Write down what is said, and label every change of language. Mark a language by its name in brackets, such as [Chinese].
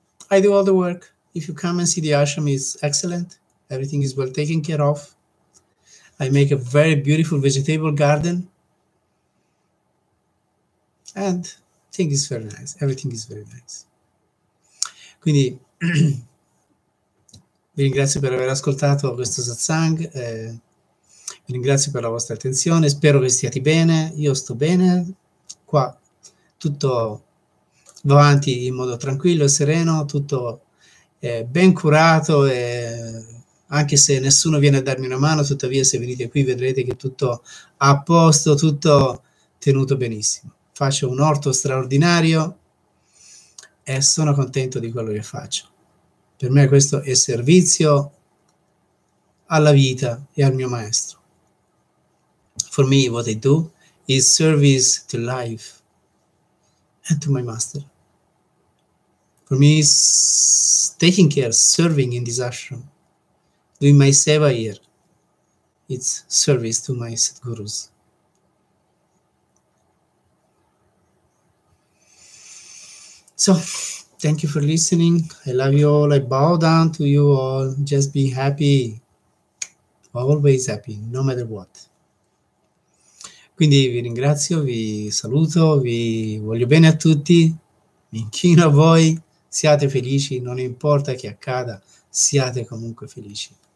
[English] I do all the work. If you come and see the ashram, it's excellent. Everything is well taken care of. I make a very beautiful vegetable garden. And I think it's very nice. Everything is very nice. [Italian] Quindi vi ringrazio per aver ascoltato questo satsang. Vi ringrazio per la vostra attenzione. Spero che stiate bene. Io sto bene. Qua tutto va avanti in modo tranquillo e sereno, tutto ben curato, e anche se nessuno viene a darmi una mano, tuttavia se venite qui vedrete che tutto a posto, tutto tenuto benissimo. Faccio un orto straordinario e sono contento di quello che faccio. Per me questo è servizio alla vita e al mio maestro. [English] For me what I do is service to life and to my master. For me, it's taking care, serving in this ashram, doing my seva here. It's service to my sadgurus. So, thank you for listening. I love you all. I bow down to you all. Just be happy. Always happy, no matter what. [Italian] Quindi vi ringrazio, vi saluto, vi voglio bene a tutti. Mi inchino a voi. Siate felici, non importa che accada, siate comunque felici.